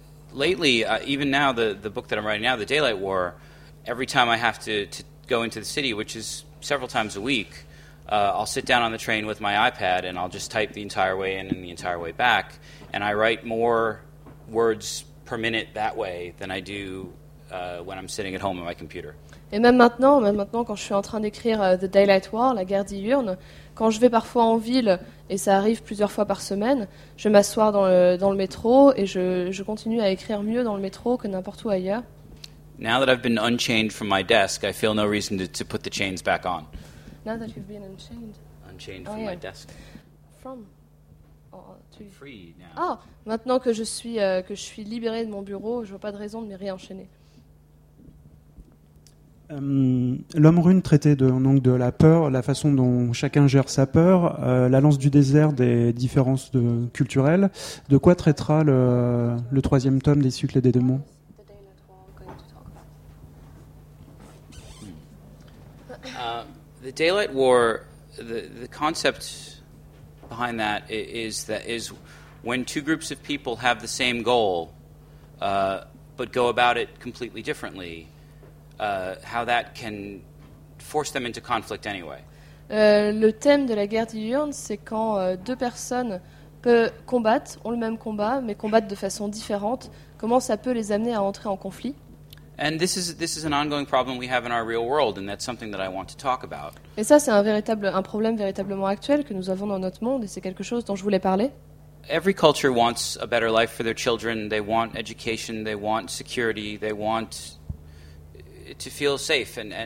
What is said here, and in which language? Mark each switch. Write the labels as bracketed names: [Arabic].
[English] Lately, even now, the book that I'm writing now, The Daylight War, every time I have to go into the city, which is several times a week, I'll sit down on the train with my iPad and I'll just type the entire way in and the entire way back, and I write more words per minute that way than I do when I'm sitting at home on my computer. [French] Et même maintenant, quand je suis en train d'écrire The Daylight War, la guerre diurne, quand je vais parfois en ville, et ça arrive plusieurs fois par semaine, je m'assois dans le métro et je continue à écrire mieux dans le métro que n'importe où ailleurs. [English] Now that I've been unchained from my desk, I feel no reason to put the chains back on. Now that you've been unchained. Unchained from my desk. From. I'm free now. [French] Ah, maintenant que je suis libérée de mon bureau, je vois pas de raison de m'y réenchaîner. L'homme rune traitait de la peur, la façon dont chacun gère sa peur, la lance du désert, des différences culturelles. De quoi traitera le troisième tome des cycles des démons? [English] The Daylight War, the concept behind that is when two groups of people have the same goal, but go about it completely differently. How that can force them into conflict anyway. [French] Le thème de la guerre diurne, c'est quand deux personnes combattent, ont le même combat, mais combattent de façon différente, comment ça peut les amener à entrer en conflit? [English] And this is an ongoing problem we have in our real world, and that's something that I want to talk about. [French] Et ça, c'est un problème véritablement actuel que nous avons dans notre monde, et c'est quelque chose dont je voulais parler. [English] Every culture wants a better life for their children. They want education, they want security, they want to feel safe